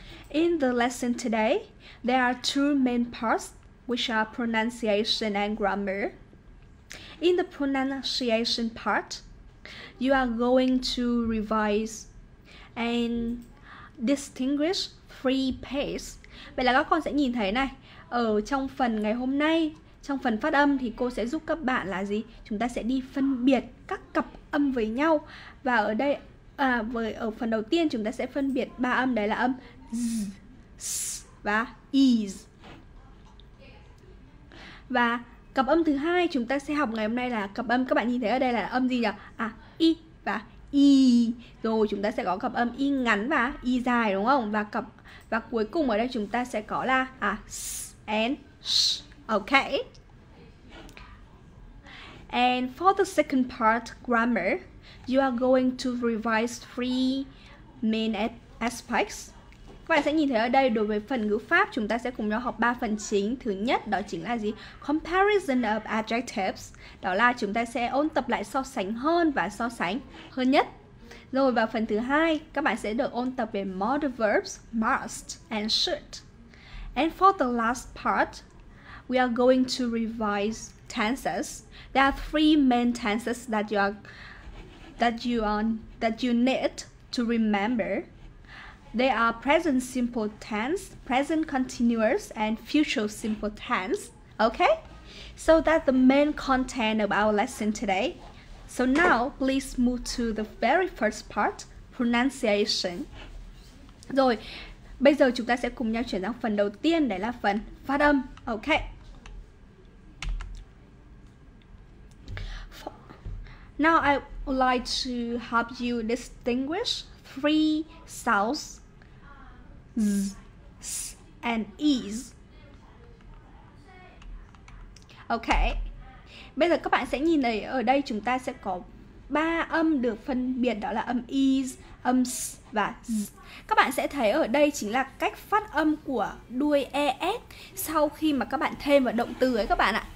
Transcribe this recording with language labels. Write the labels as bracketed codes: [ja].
[en] In the lesson today, there are two main parts, which are pronunciation and grammar. In the pronunciation part, you are going to revise and distinguish three pairs. [vi] Vậy là các con sẽ nhìn thấy này, ở trong phần ngày hôm nay, trong phần phát âm thì cô sẽ giúp các bạn là gì? Chúng ta sẽ đi phân biệt các cặp âm với nhau. Và ở đây, ở phần đầu tiên chúng ta sẽ phân biệt ba âm, đấy là âm z, s và is. Và cặp âm thứ hai chúng ta sẽ học ngày hôm nay là cặp âm các bạn nhìn thấy ở đây là âm gì nhỉ? À, i và i. Rồi chúng ta sẽ có cặp âm i ngắn và i dài đúng không? Và cặp và cuối cùng ở đây chúng ta sẽ có là s and sh. [en] Okay. And for the second part, grammar, you are going to revise three main aspects. [vi] Các bạn sẽ nhìn thấy ở đây đối với phần ngữ pháp chúng ta sẽ cùng nhau học 3 phần chính. Thứ nhất đó chính là gì? [en] Comparison of adjectives. [vi] Đó là chúng ta sẽ ôn tập lại so sánh hơn và so sánh hơn nhất. Rồi vào phần thứ hai, các bạn sẽ được ôn tập về [en] modal verbs must and should. And for the last part, we are going to revise tenses. There are three main tenses that you need to remember. They are present simple tense, present continuous, and future simple tense. Okay? So that's the main content of our lesson today. So now, please move to the very first part, pronunciation. [vi] Rồi, bây giờ chúng ta sẽ cùng nhau chuyển sang phần đầu tiên, đấy là phần phát âm. [en] Okay? Now I would like to help you distinguish three sounds, z, s, and e's. Okay. [vi] Bây giờ các bạn sẽ nhìn thấy ở đây chúng ta sẽ có ba âm được phân biệt, đó là âm e's, âm s và z. Các bạn sẽ thấy ở đây chính là cách phát âm của đuôi es sau khi mà các bạn thêm vào động từ ấy các bạn ạ.